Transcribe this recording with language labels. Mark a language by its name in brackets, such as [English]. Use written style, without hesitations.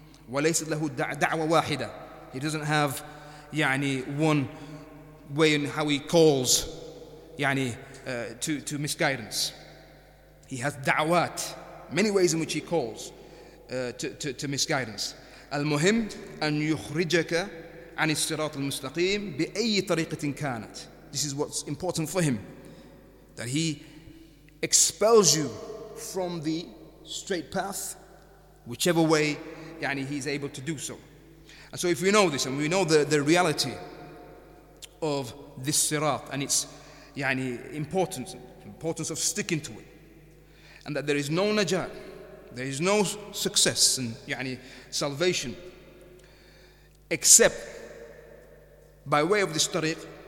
[Arabic] وليس له دعوة واحدة. [English] He doesn't have يعني one way in how he calls يعني to misguidance. He has دعوات, many ways in which he calls. To misguidance. [Arabic] المهم أن يخرجك عن الصراط المستقيم بأي طريقة كانت. [English] This is what's important for him, that he expels you from the straight path, whichever way يعني he's able to do so. And so if we know this, and we know the reality of this sirat and its يعني importance of sticking to it, and that there is no najat, there is no success and يعني salvation except by way of this tariq.